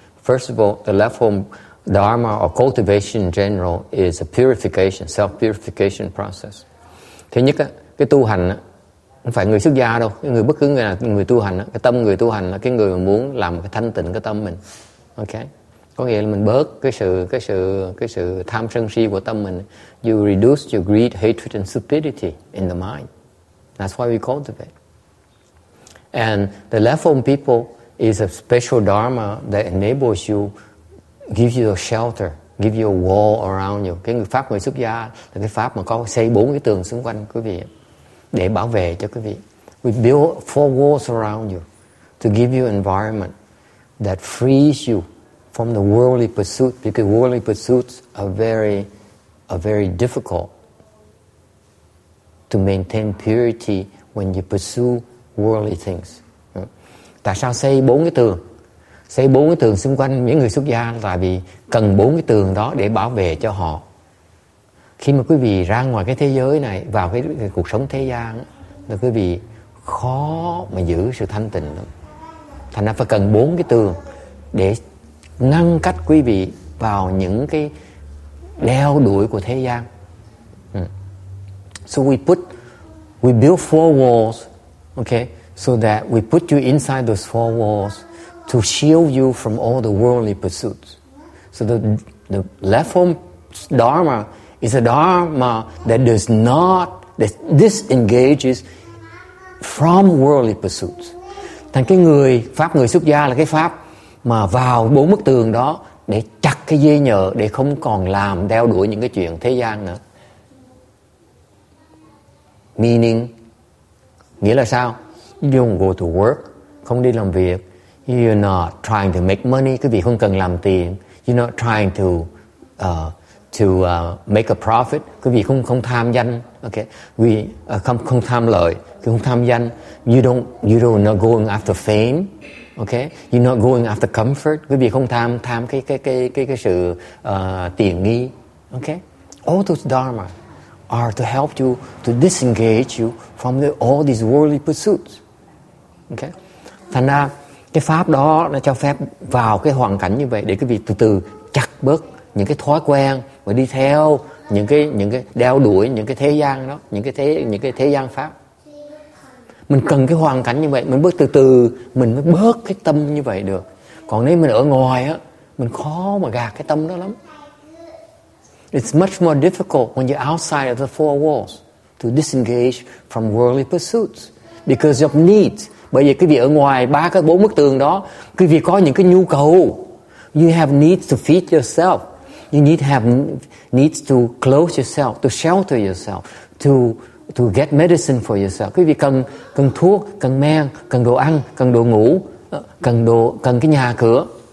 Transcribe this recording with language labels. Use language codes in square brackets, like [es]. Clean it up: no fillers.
[en] First of all, the left home dharma or cultivation in general is a purification, self-purification process. [vi] Thứ nhất, cái tu hành không phải người xuất gia đâu, cái người bất cứ người nào người tu hành, cái tâm người tu hành là cái người mà muốn làm cái thanh tịnh cái tâm mình. Okay, có nghĩa là mình bớt cái sự tham sân si của tâm mình. [en] You reduce your greed, hatred, and stupidity in the mind. That's why we cultivate. And the left-home people is a special dharma that enables you. Give you a shelter, give you a wall around you. [vi] Cái người pháp người xuất gia là cái pháp mà có xây bốn cái tường xung quanh quý vị để bảo vệ cho quý vị. [en] We build four walls around you to give you an environment that frees you from the worldly pursuit, because worldly pursuits are very difficult to maintain purity when you pursue worldly things. [vi] Tại sao xây bốn cái tường? Xây bốn cái tường xung quanh những người xuất gia là vì cần bốn cái tường đó để bảo vệ cho họ. Khi mà quý vị ra ngoài cái thế giới này, vào cái cuộc sống thế gian, là quý vị khó mà giữ sự thanh tịnh lắm. Thành ra phải cần bốn cái tường để ngăn cách quý vị vào những cái đeo đuổi của thế gian. [en] So we build four walls, okay, so that we put you inside those four walls to shield you from all the worldly pursuits. So the left home dharma is a dharma that does not, that disengages from worldly pursuits. [vi] Thành cái người, pháp người xuất gia là cái pháp mà vào bốn bức tường đó để chặt cái dây nhờ, để không còn làm đeo đuổi những cái chuyện thế gian nữa. [en] Meaning, [vi] nghĩa là sao? [en] You don't go to work, [vi] không đi làm việc. [en] You're not trying to make money, [vi] quý vị không cần làm tiền. [en] You're not trying to make a profit, [vi] quý vị không tham danh. Okay, không tham lợi, không tham danh. [en] You're not going after fame. Okay, you're not going after comfort. [vi] Quý vị không tham cái sự tiện nghi. [en] Okay, all those dharma are to help you to disengage you from all these worldly pursuits. Okay, [vi] thành ra cái pháp đó nó cho phép vào cái hoàn cảnh như vậy để quý vị từ từ chặt bớt những cái thói quen và đi theo những cái đeo đuổi những cái thế gian đó, những cái thế gian pháp. Mình cần cái hoàn cảnh như vậy, mình bước từ từ mình mới bớt cái tâm như vậy được. Còn nếu mình ở ngoài á, mình khó mà gạt cái tâm đó lắm. [en] It's much more difficult when you're outside of the four walls to disengage from worldly pursuits because of needs. [vi] Bởi vì quý vị ở ngoài ba cái bốn bức tường đó, quý vị có những cái nhu cầu. [en] You have needs to feed yourself. You needs to clothe yourself, to shelter yourself, to get medicine for yourself. [vi] Quý vị cần thuốc, cần men, cần đồ ăn, cần đồ ngủ, cần cái nhà cửa.